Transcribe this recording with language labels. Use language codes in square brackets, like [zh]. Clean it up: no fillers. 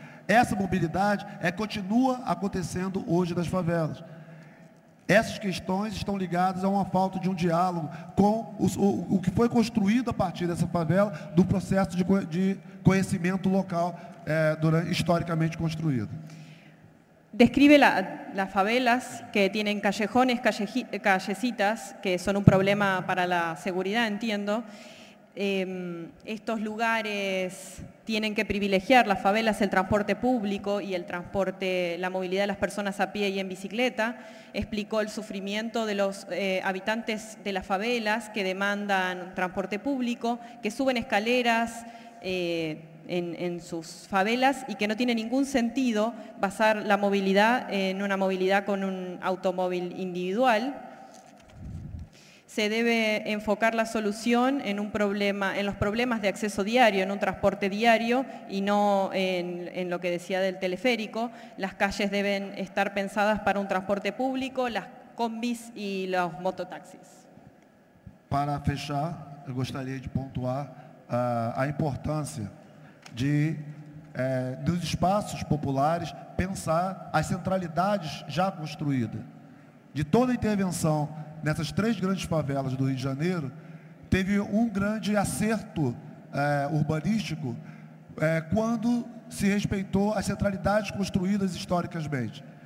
[pt] Essa mobilidade continua acontecendo hoje nas favelas. Essas questões estão ligadas a uma falta de diálogo com o que foi construído a partir dessa favela, do processo de conhecimento local historicamente construído. [es] Describe las favelas que tienen callejones, callecitas, que son un problema para la seguridad, entiendo. Estos lugares tienen que privilegiar las favelas, el transporte público y el transporte, la movilidad de las personas a pie y en bicicleta. Explicó el sufrimiento de los habitantes de las favelas que demandan transporte público, que suben escaleras, en sus favelas y que no tiene ningún sentido basar la movilidad en una movilidad con un automóvil individual. Se debe enfocar la solución en un problema, en los problemas de acceso diario, en un transporte diario y no en lo que decía del teleférico. Las calles deben estar pensadas para un transporte público, las combis y los mototaxis. [pt] Para fechar, gostaria de puntuar a importância de, dos espaços populares, pensar as centralidades já construídas. De toda a intervenção nessas três grandes favelas do Rio de Janeiro, teve um grande acerto urbanístico quando se respeitou as centralidades construídas historicamente.